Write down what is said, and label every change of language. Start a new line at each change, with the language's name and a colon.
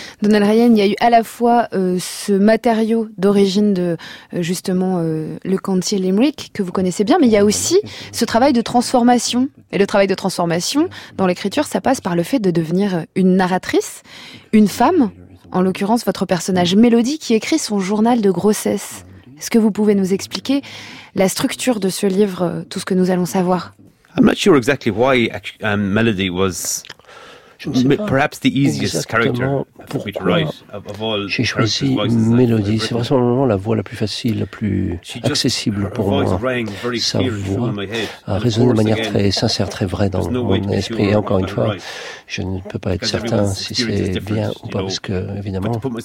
French: Donald Ryan, il y a eu à la fois ce matériau d'origine de, justement, le County Limerick, que vous connaissez bien, mais il y a aussi ce travail de transformation. Et le travail de transformation, dans l'écriture, ça passe par le fait de devenir une narratrice, une femme, en l'occurrence votre personnage Mélodie, qui écrit son journal de grossesse. Est-ce que vous pouvez nous expliquer la structure de ce livre, tout ce que nous allons savoir?
English: I'm not sure exactly why Melody was perhaps the easiest character for me to write of all.
French: J'ai choisi Melody, c'est vraiment la voix la plus facile, la plus accessible pour moi. Sa voix a résonné de manière très sincère, très vraie dans mon esprit. Et encore une fois, je ne peux pas être certain si c'est bien ou pas, parce que évidemment,